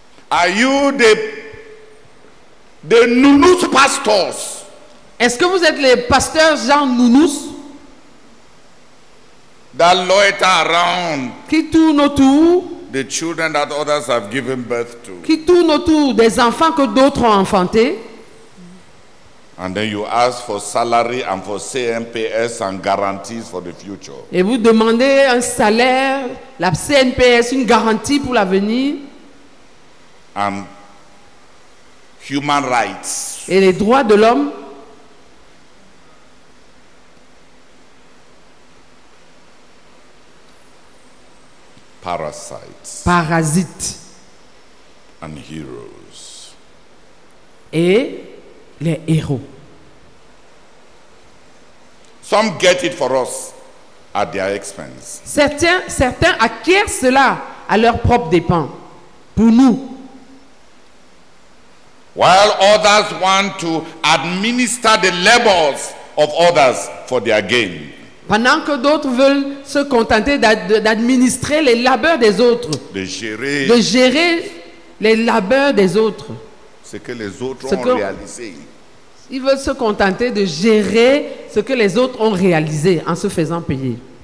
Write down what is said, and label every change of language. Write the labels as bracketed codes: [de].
[en] Are you the nounous pastors? [fr] Est-ce que vous êtes les pasteurs genre nounous? [en] that loiter around [fr] qui tourne autour, [en] the children that others have given birth to, [fr] qui tourne autour des enfants que d'autres ont enfantés. [en] And then you ask for salary and for CMPS and guarantees for the future. [fr] Et vous demandez un salaire, la CMPS, une garantie pour l'avenir. [en] And human rights. [fr] Et les droits de l'homme. [en] Parasites. [fr] Parasites. [en] And heroes. [fr] Et les héros. [en] Some get it for us at their expense. [fr] Certains acquièrent cela à leurs propres dépens, pour nous. [en] While others want to administer the labors of others for their gain. [fr] Pendant que d'autres veulent se contenter d'administrer les labeurs des autres. De gérer les labeurs des autres. Ce que les autres ont réalisé. Ils veulent se contenter de gérer ce que les autres ont réalisé en se faisant payer.